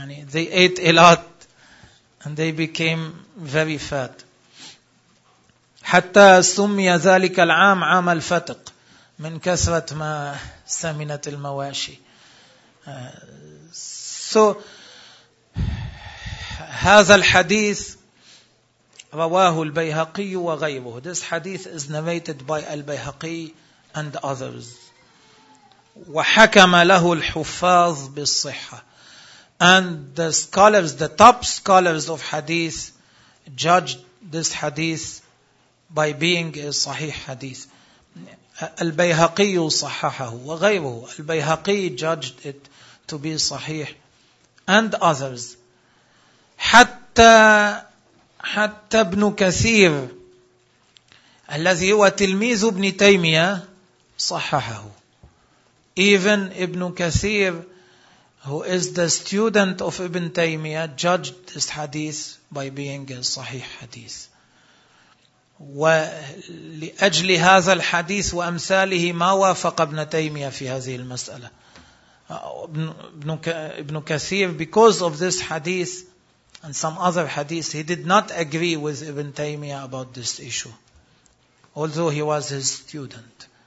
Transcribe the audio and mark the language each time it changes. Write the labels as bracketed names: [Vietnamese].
[English] They ate a lot and they became very fat. [Arabic] حتى سمي ذلك العام عام الفتق. من كثرة ما سمنت المواشي. So, هذا الحديث رواه البيهقي وغيره. [English] This hadith is narrated by البيهقي and others. [Arabic] وحكم له الحفاظ بالصحة. [English] And the scholars, the top scholars of hadith, judged this hadith by being a sahih hadith. [Arabic] البيهقي صححه وغيره. [English] البيهقي judged it to be صحيح. And others. [Arabic] حتى ابن كثير الذي هو تلميذ ابن تيمية صححه. [English] Even ابن كثير, who is the student of ابن تيمية, judged this hadith by being a صحيح hadith. [Arabic] ولأجل هذا الحديث وأمثاله ما وافق ابن تيمية في هذه المسألة. [English] ابن كثير, because of this hadith and some other hadith, he did not agree with ابن تيمية about this issue, although he was his student.